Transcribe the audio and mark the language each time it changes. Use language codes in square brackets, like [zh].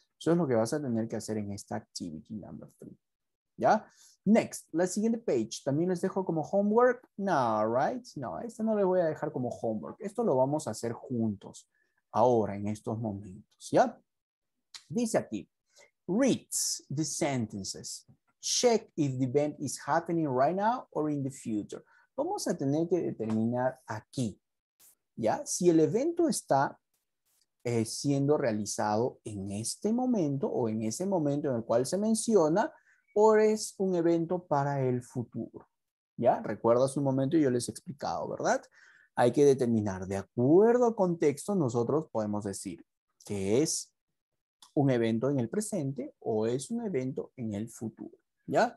[es] Eso es lo que vas a tener que hacer en esta activity number three. ¿Ya? Next, la siguiente page. ¿También les dejo como homework? [en] No, right? [es] No, esta no le voy a dejar como homework. Esto lo vamos a hacer juntos, ahora, en estos momentos. ¿Ya? Dice aquí, [en] read the sentences. Check if the event is happening right now or in the future. [es] Vamos a tener que determinar aquí, ¿ya? Si el evento está siendo realizado en este momento o en ese momento en el cual se menciona, o es un evento para el futuro, ¿ya? Recuerdas un momento y yo les he explicado, ¿verdad? Hay que determinar, de acuerdo al contexto, nosotros podemos decir que es un evento en el presente o es un evento en el futuro, ¿ya?